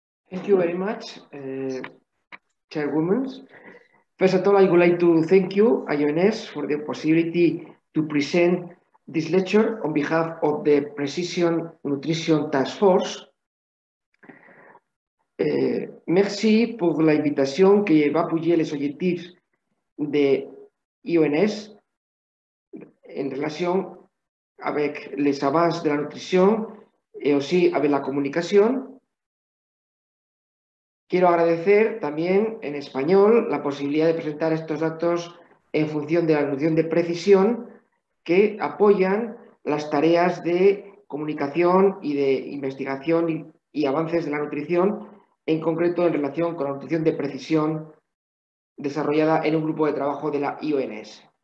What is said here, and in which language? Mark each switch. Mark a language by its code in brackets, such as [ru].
[en] Thank you very much, Chairwoman. First of all, I would like to thank you, IUNS, for the possibility to present this lecture on behalf of the Precision Nutrition Task Force. [fr] Merci pour l'invitation qui va appuyer les objectifs de IUNS en relation avec les avances de la nutrition et aussi avec la communication. [es] Quiero agradecer también en español la posibilidad de presentar estos datos en función de la nutrición de precisión que apoyan las tareas de comunicación y de investigación y avances de la nutrición, en concreto en relación con la nutrición de precisión desarrollada en un grupo de trabajo de la IUNS.